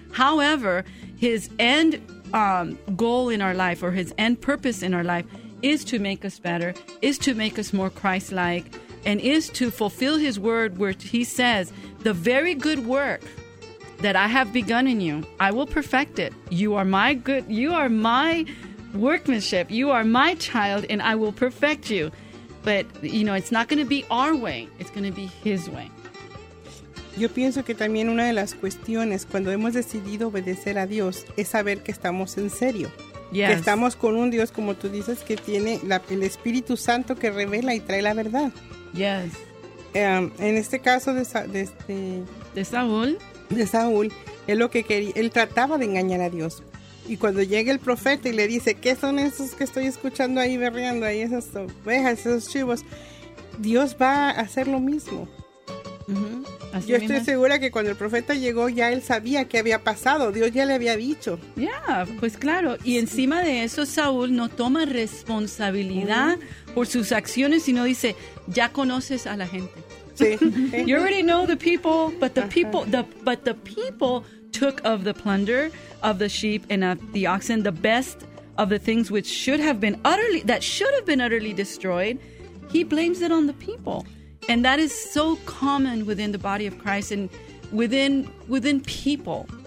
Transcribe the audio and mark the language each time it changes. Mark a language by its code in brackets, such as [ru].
[en] However, his end goal in our life, or his end purpose in our life, is to make us better, is to make us more Christ-like, and is to fulfill his word, where he says, the very good work that I have begun in you, I will perfect it. You are my workmanship. You are my child, and I will perfect you. But, you know, it's not going to be our way. It's going to be his way. [es] Yo pienso que también una de las cuestiones cuando hemos decidido obedecer a Dios es saber que estamos en serio. [en] Yes. [es] Que estamos con un Dios, como tú dices, que tiene el Espíritu Santo que revela y trae la verdad. [en] Yes. [es] En este caso de Saúl. De Saúl, él lo que quería, él trataba de engañar a Dios. Y cuando llega el profeta y le dice, ¿qué son esos que estoy escuchando ahí berreando? Ahí esas ovejas, esos chivos. Dios va a hacer lo mismo. Uh-huh. Yo estoy segura que cuando el profeta llegó, ya él sabía qué había pasado. Dios ya le había dicho. Ya, yeah, pues claro. Y encima de eso, Saúl no toma responsabilidad por sus acciones, sino dice, ya conoces a la gente. Sí. [en] You already know the people, but the people took of the plunder of the sheep and of the oxen, the best of the things which should have been utterly destroyed. He blames it on the people. And that is so common within the body of Christ, and within people.